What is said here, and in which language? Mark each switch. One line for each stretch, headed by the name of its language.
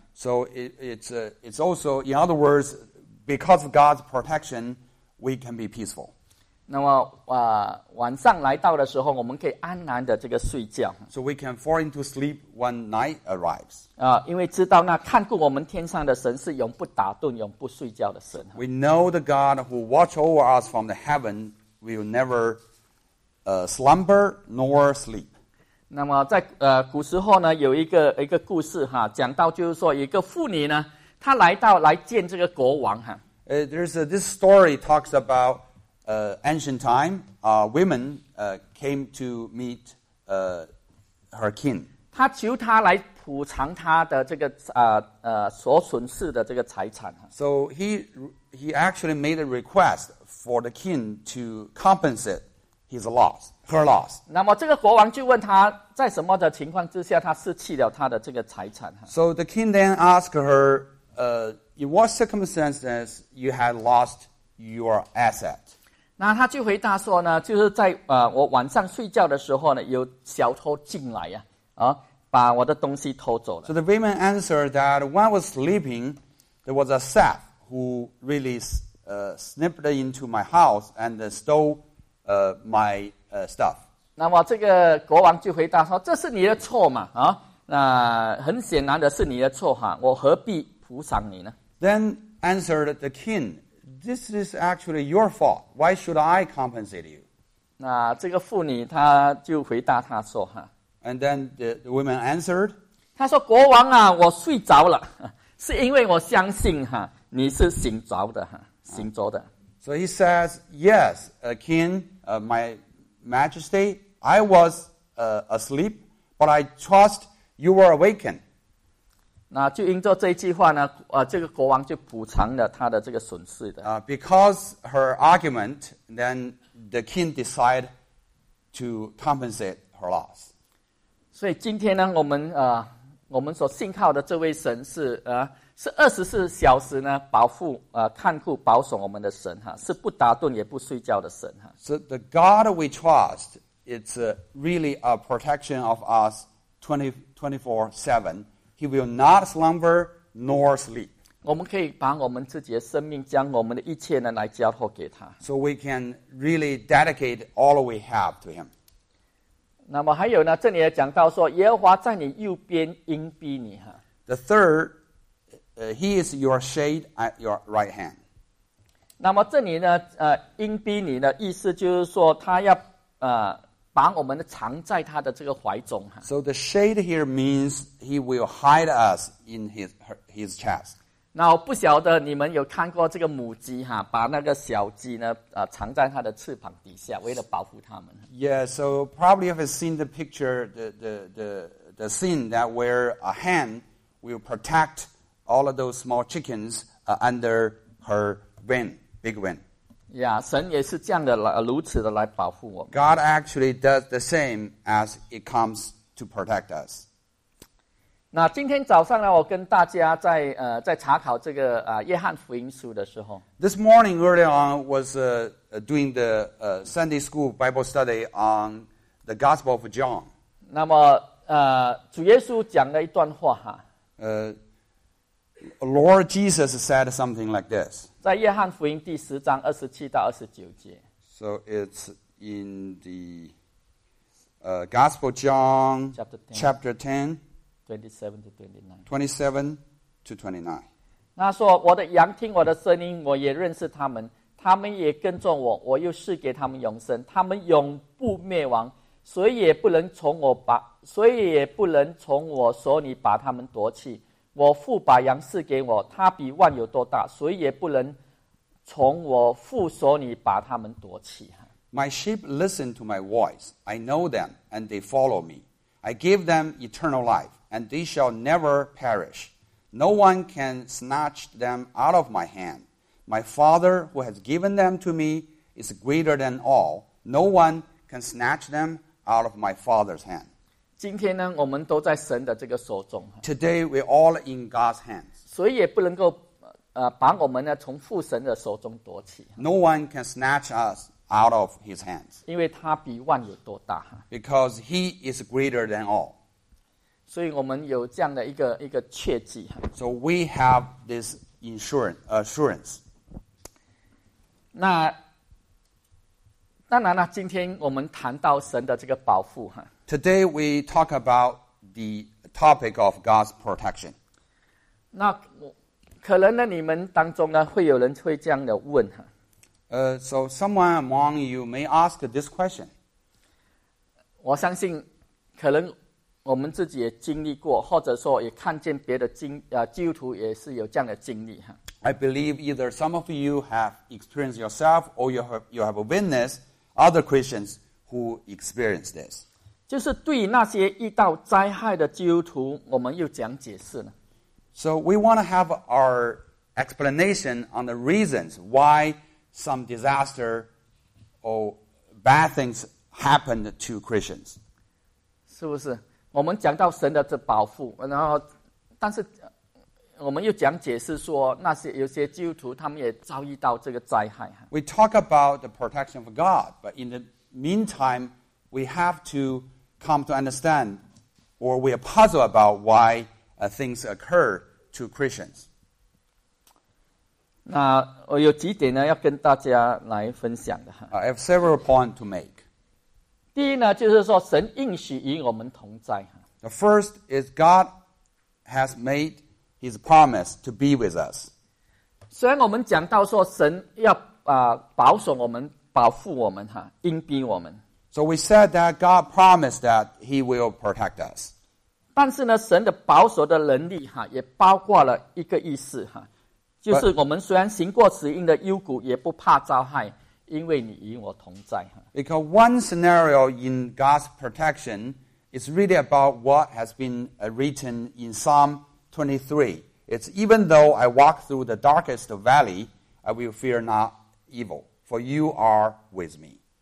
English: So it's also, in other words, because of God's protection, we can be peaceful.
Chinese: 那么晚上来到的时候，我们可以安然的这个睡觉。
English: So we can fall into sleep when night arrives.
Chinese: 因为知道那看顾我们天上的神是永不打盹、永不睡觉的神。
English: We know the God who watch over us from the heaven will never slumber nor sleep.
Chinese: 那么在古时候呢，有一个故事哈，讲到就是说一个妇女呢，她来到来见这个国王哈。
English: There's this story talks about ancient time. Women came to meet her king.
Chinese: 她求他来补偿她的这个所损失的这个财产。
English: So he actually made a request for the king to compensate his loss. Her loss.
Chinese: 那么这个国王就问他，在什么的情况之下，他失去了他的这个财产。
English: So the king then asked her, in what circumstances you had lost your asset?
Chinese: 那他就回答说呢，就是在我晚上睡觉的时候呢，有小偷进来呀，把我的东西偷走了。
English: So the woman answered that when I was sleeping, there was a thief who really snipped into my house and stole my stuff.
Chinese: 那么这个国王就回答说，这是你的错嘛，那很显然的是你的错哈，我何必补偿你呢？
English: Then answered the king, this is actually your fault. Why should I compensate you?
Chinese: 那这个妇女她就回答她说哈。
English: And then the woman answered,
Chinese: 她说国王啊，我睡着了，是因为我相信哈，你是醒着的哈，醒着的。
English: So he says, yes, a king, my Majesty, I was asleep, but I trust you were awakened.
Chinese: 那就因着这句话呢，这个国王就补偿了他的这个损失的。
English: Because her argument, then the king decided to compensate her loss.
Chinese: 所以今天呢，我们所信靠的这位神是24小时呢保护看顾保守我们的神哈，是不打盹也不睡觉的神哈。
English: So the God we trust, it's really a protection of us 24/7. He will not slumber nor sleep.
Chinese: 我们可以把我们自己的生命，将我们的一切呢来交托给他。
English: So we can really dedicate all we have to him.
Chinese: 那么还有呢，这里也讲到说，耶和华在你右边应庇你哈。
English: The third,He is your shade at your right hand.
Chinese: 那么这里呢，应庇你的意思就是说，他要把我们藏在他的这个怀中。
English: So the shade here means he will hide us in his chest.
Chinese: 那我不晓得你们有看过这个母鸡把那个小鸡呢藏在它的翅膀底下，为了保护它们。
English: Yeah, so probably you have seen the picture, the scene that where a hen will protect all of those small chickens under her wing, big wing.
Chinese: Yeah, 神也是这样的，如此的来保护我们。
English: God actually does the same as it comes to protect us.
Chinese: 那今天早上呢，我跟大家在查考这个约翰福音书的时候。
English: This morning early on was doing the Sunday school Bible study on the Gospel of John.
Chinese: 那么主耶稣讲了一段话哈。
English: Lord Jesus said something like this.
Chinese: 在约翰福音第十章二十七到二十九节。
English: So it's in the Gospel John chapter 10, 27 to 29.
Chinese: 那说我的羊听我的声音，我也认识他们，他们也跟踪我，我又赐给他们永生，他们永不灭亡，谁也不能从我手里把他们夺去。我父把羊赐给我，他比万有多大，谁也不能从我父手里把他们夺去。
English: My sheep listen to my voice. I know them, and they follow me. I give them eternal life, and they shall never perish. No one can snatch them out of my hand. My Father, who has given them to me, is greater than all. No one can snatch them out of my Father's hand.
Chinese: 今天呢，我们都在神的这个手中。
English: Today, we're all in God's hands.
Chinese: 谁也不能够把我们呢从父神的手中夺去。
English: No one can snatch us. Out of his hands.
Chinese: 因为他比万有多大。
English: Because he is greater than all.
Chinese: 所以我们有这样的一个确据。
English: So we have this assurance.
Chinese: 那当然了，今天我们谈到神的这个保护。
English: Today we talk about the topic of God's protection.
Chinese: 那可能呢，你们当中呢，会有人会这样的问。
English: So someone among you may ask this question.
Chinese: 我相信可能我们自己也经历过，或者说也看见别的基督徒也是有这样的经历。
English: I believe either some of you have experienced yourself or you have witnessed other Christians who experienced this.
Chinese: 就是对那些遇到灾害的基督徒，我们又怎样解释呢？
English: So we want to have our explanation on the reasons why some disaster or bad things happened to Christians.
Chinese: 是不是？我们讲到神的这保护，然后，但是我们又讲解释说，那些有些基督徒他们也遭遇到这个灾害。
English: We talk about the protection of God, but in the meantime, we have to come to understand, or we are puzzled about why things occur to Christians.
Chinese: 那我有几点呢要跟大家来分享的。
English: I have several points to make.
Chinese: 第一呢，就是说神应许与我们同在。
English: The first is God has made his promise to be with us.
Chinese: 虽然我们讲到说神要保守我们，保护我们，荫庇我们。
English: So we said that God promised that he will protect us.
Chinese: 但是呢，神的保守的能力也包括了一个意思。就是我们虽然行过死荫的幽谷，也不怕遭害，因为你与我同在。
English: Because one scenario in God's protection is really about what has been written in Psalm 23. It's even though I walk through the darkest valley, I will fear not evil, for you are with me.